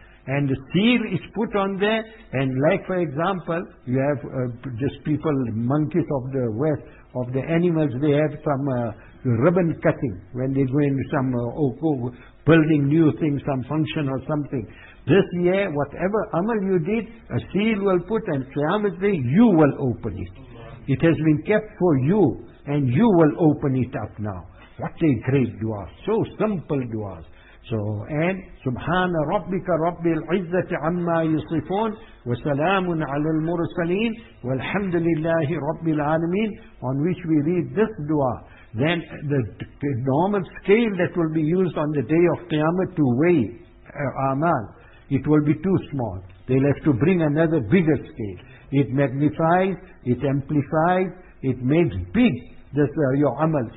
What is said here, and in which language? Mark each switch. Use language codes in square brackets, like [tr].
[en] And the seal is put on there, and like for example, you have just people, monkeys of the west, of the animals, they have some ribbon cutting when they go into some building new things, some function or something. This year, whatever amal you did, a seal will put, and Qiyamah Day, you will open it. It has been kept for you, and you will open it up now. What a great dua, so simple duas. So, and [ar] سبحان ربك رب العزة عما يصفون وسلام على المرسلين والحمد لله رب العالمين. [en] On which we read this dua, then the normal scale that will be used on the day of Qiyamah to weigh amal, it will be too small. They'll have to bring another bigger scale. It magnifies, it amplifies, it makes big this your amal.